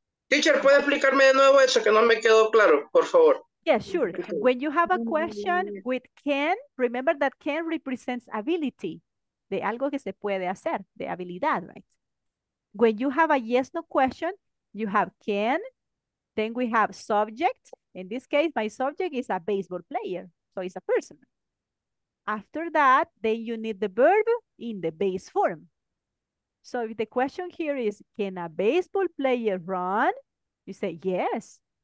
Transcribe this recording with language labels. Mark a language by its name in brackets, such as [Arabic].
[Spanish] Teacher, ¿puede explicarme de nuevo eso que no me quedó claro, por favor? [English] Yeah, sure. When you have a question with can, remember that can represents ability. [Spanish] De algo que se puede hacer, de habilidad, right? [English] When you have a yes, no question, you have can, then we have subject. In this case, my subject is a baseball player. So it's a person. After that, then you need the verb in the base form. So if the question here is, can a baseball player run? You say, yes.